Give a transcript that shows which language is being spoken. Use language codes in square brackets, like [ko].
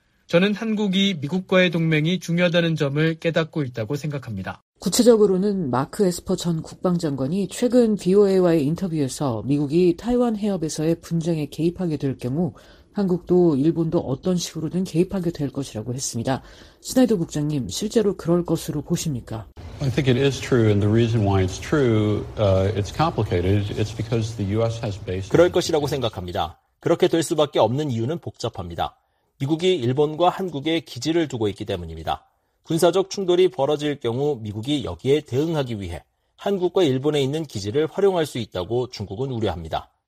[ko] 저는 한국이 미국과의 동맹이 중요하다는 점을 깨닫고 있다고 생각합니다. 구체적으로는 마크 에스퍼 전 국방장관이 최근 VOA와의 인터뷰에서 미국이 타이완 해협에서의 분쟁에 개입하게 될 경우 한국도 일본도 어떤 식으로든 개입하게 될 것이라고 했습니다. 스나이더 국장님, 실제로 그럴 것으로 보십니까? [en] I think it is true, and the reason why it's true, it's complicated. It's because the U.S. has bases. [ko] 그럴 것이라고 생각합니다. 그렇게 될 수밖에 없는 이유는 복잡합니다. 미국이 일본과 한국에 기지를 두고 있기 때문입니다. 군사적 충돌이 벌어질 경우 미국이 여기에 대응하기 위해 한국과 일본에 있는 기지를 활용할 수 있다고 중국은 우려합니다.